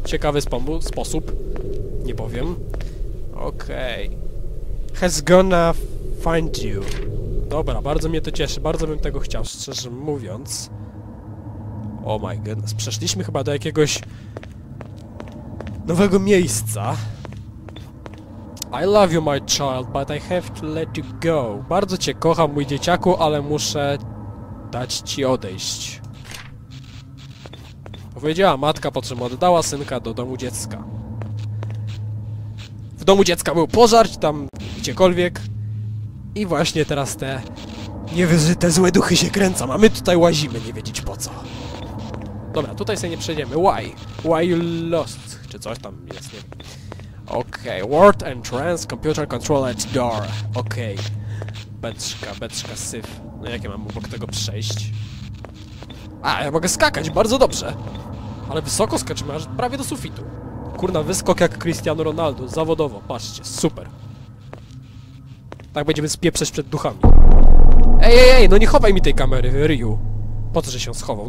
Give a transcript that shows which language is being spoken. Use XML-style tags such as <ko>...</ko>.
<pl>Ciekawy sposób. Nie powiem. Okej. Okay.</pl> <en>Has gonna find you.</en> <pl>Dobra, bardzo mnie to cieszy. Bardzo bym tego chciał, szczerze mówiąc.</pl> <en>Oh my goodness.</en> <pl>Przeszliśmy chyba do jakiegoś... nowego miejsca.</pl> <en>I love you, my child, but I have to let you go.</en> <pl>Bardzo cię kocham, mój dzieciaku, ale muszę... dać ci odejść. Powiedziała matka, po czym oddała synka do domu dziecka. W domu dziecka był pożar, tam gdziekolwiek. I właśnie teraz te niewyżyte złe duchy się kręcą, a my tutaj łazimy, nie wiedzieć po co. Dobra, tutaj sobie nie przejdziemy.</pl> <en>Why? Why you lost?</en> <pl>Czy coś tam jest, nie wiem.</pl> <en>Okej, word entrance, computer controlled door.</en> <pl>Okej. Beczka, beczka, syf. No jakie mam obok tego przejść? A, ja mogę skakać, bardzo dobrze! Ale wysoko skaczymy, aż prawie do sufitu. Kurna, wyskok jak Cristiano Ronaldo, zawodowo, patrzcie, super. Tak będziemy spieprzeć przed duchami. Ej, ej, ej, no nie chowaj mi tej kamery, Ryu. Po co, że się schował?</pl>